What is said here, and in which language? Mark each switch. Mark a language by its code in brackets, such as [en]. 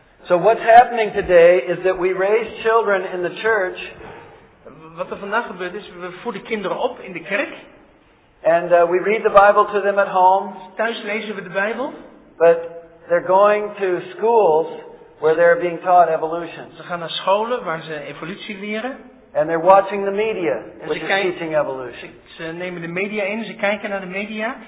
[en] So what's happening today is that we raise children in the church. [nl] Wat er vandaag gebeurt is, we voeden kinderen op in de kerk. [en] And we read the Bible to them at home. [nl] Thuis lezen we de Bijbel. [en] But they're going to schools where they're being taught evolution. [nl] Ze gaan naar scholen waar ze evolutie leren. [en] And they're watching the media, which is teaching evolution. [nl] Ze nemen de media in, ze kijken naar de media,